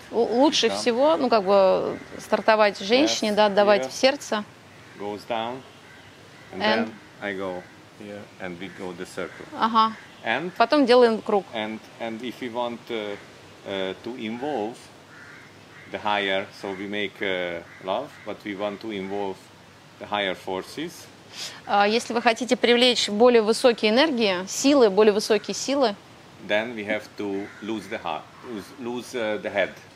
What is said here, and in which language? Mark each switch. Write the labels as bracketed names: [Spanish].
[Russian] Лучше всего, ну как бы стартовать женщине, да, отдавать в сердце. [English] Goes down, and then I go, and we go the circle. [Russian] Ага. And потом делаем круг. [English] And if we want to involve the higher, so we make love, but we want to involve the higher forces. [Russian] Если вы хотите привлечь более высокие энергии, силы, более высокие силы, [English] then we have to lose the heart, lose the head.